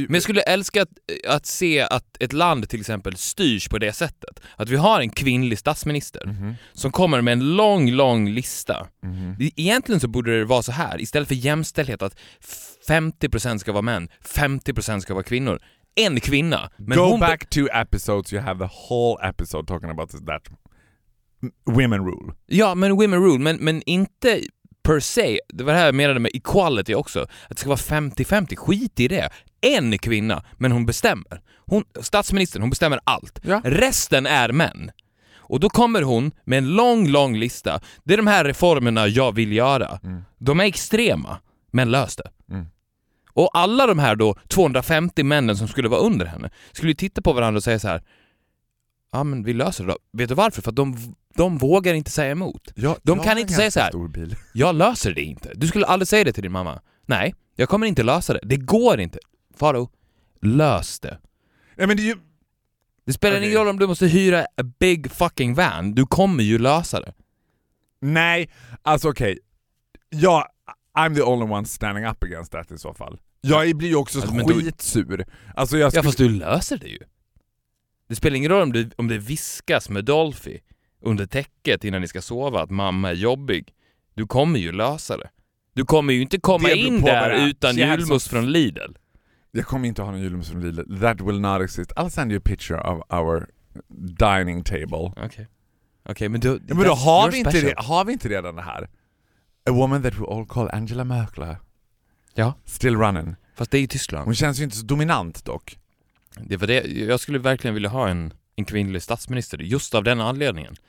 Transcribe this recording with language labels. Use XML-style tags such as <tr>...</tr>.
<sv>Men jag skulle älska att se att ett land till exempel styrs på det sättet. Att vi har en kvinnlig statsminister som kommer med en lång, lång lista. Mm-hmm. Egentligen så borde det vara så här. Istället för jämställdhet att 50% ska vara män, 50% ska vara kvinnor. En kvinna.</sv> <en>Men go back two episodes, you have the whole episode talking about that. Women rule.</en> <sv>Ja, men</sv> <en>women rule.</en> <sv>Men inte per se. Det var det här jag menade med equality också. Att det ska vara 50-50. Skit i det. En kvinna, men hon bestämmer. Statsministern, hon bestämmer allt. Ja. Resten är män. Och då kommer hon med en lång, lång lista. Det är de här reformerna jag vill göra. Mm. De är extrema, men lös det. Mm. Och alla de här då 250 männen som skulle vara under henne skulle ju titta på varandra och säga så här: ja, men vi löser det då. Vet du varför? För att de vågar inte säga emot. De kan inte säga så här: jag löser det inte. Du skulle aldrig säga det till din mamma. Nej, jag kommer inte lösa det. Det går inte. Faro, lös det. Nej, men det är ju... Det spelar ingen roll om du måste hyra</sv> <en>a big fucking van.</en> <sv>Du kommer ju lösa det. Nej, alltså okej. Okay.</sv> <en>Jag, I'm the only one standing up against that</en> <sv>i så fall. Jag blir ju också skitsur. Alltså jag fast du löser det ju. Det spelar ingen roll om det viskas med Dolphy under täcket innan ni ska sova att mamma är jobbig. Du kommer ju lösa det. Du kommer ju inte komma in där utan julmust från Lidl. Jag kommer inte ha någon julmust från Lidl.</sv> <en>That will not exist. I'll send you a picture of our dining table.</en> <sv>Okej. Okay, men då, ja, men då har, vi inte det, har vi inte redan det här?</sv> <en>A woman that we all call Angela Merkel.</en> <sv>Ja.</sv> <en>Still running.</en> <sv>Fast det är ju Tyskland. Hon känns ju inte så dominant dock. Det var det. Jag skulle verkligen vilja ha en kvinnlig statsminister. Just av den anledningen.</sv>